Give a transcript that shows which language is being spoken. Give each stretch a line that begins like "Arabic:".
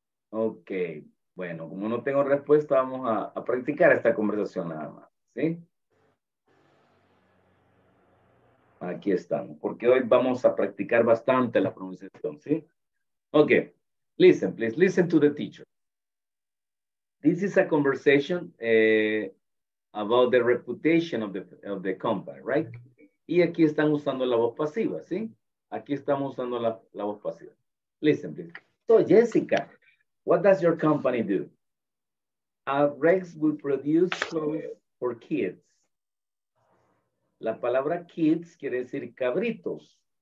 Spanish: Ok, bueno, como no tengo respuesta, vamos a practicar esta conversación nada más, ¿sí? Aquí estamos, porque hoy vamos a practicar bastante la pronunciación, ¿sí?
English: Ok, listen, please, listen to the teacher. This is a conversation about the reputation of the company, right?
Spanish: Y aquí están usando la voz pasiva, ¿sí? Aquí estamos usando la voz pasiva.
English: Listen, please. So, Jessica, what does your company do? Rex will produce clothes for kids.
Spanish: La palabra kids quiere decir cabritos.